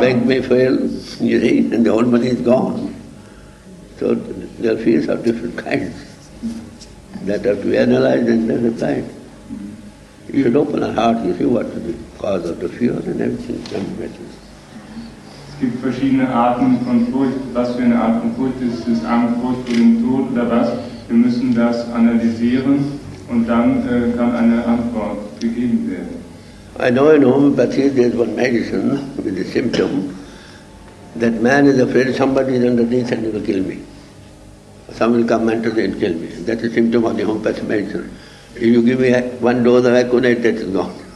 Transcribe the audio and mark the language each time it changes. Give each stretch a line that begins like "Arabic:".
English: bank may fail, you see, and the whole money is gone. So there are fears of different kinds that have to be analyzed and then applied. You should open our heart, you see what is the cause of the fear and everything can be better.
German: Es gibt verschiedene Arten von Furcht. Was für eine Art von Furcht ist es? Angst, Furcht vor dem Tod oder was? Wir müssen das analysieren und dann kann eine Antwort gegeben werden.
English: I know in homeopathy there is one medicine with the symptom that man is afraid somebody is underneath and he will kill me. Some will come enter and kill me. That's a symptom of the homeopathy medicine. If you give me one dose of aconite, that is gone.